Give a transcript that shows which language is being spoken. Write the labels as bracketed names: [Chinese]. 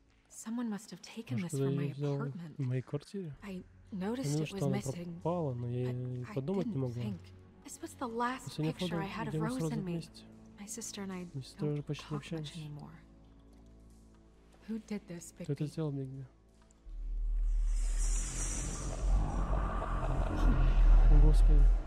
[English] Someone must have taken this from my apartment. [Russian] В моей квартире? [English] I noticed it was missing. [Russian] Пропала, но я и подумать не могла. [English] This was the last picture I had of Rose and me. My sister and I don't talk much anymore. Who did this, Bigby? [Russian] Кто это сделал, Бигби? О, Господи.